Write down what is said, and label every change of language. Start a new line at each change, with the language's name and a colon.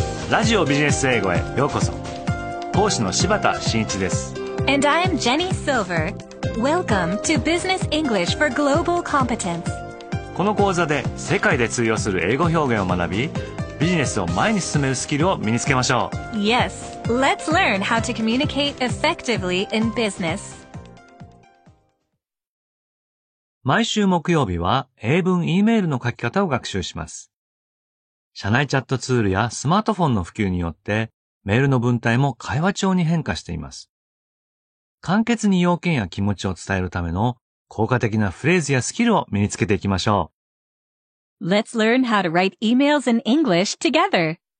Japanese: ラジオビジネス英語へようこそ。講師の柴田真一です。
English: And I am Jenny Silver. Welcome to Business English for Global Competence.
Japanese: この講座で世界で通用する英語表現を学び、ビジネスを前に進めるスキルを身につけましょう。
English: Yes, let's learn how to communicate effectively in business.
Japanese: 毎週木曜日は英文 E メールの書き方を学習します。社内チャットツールやスマートフォンの普及によってメールの文体も会話調に変化しています。簡潔に要件や気持ちを伝えるための効果的なフレーズやスキルを身につけていきましょう。
English: Let's learn how to write emails in English together.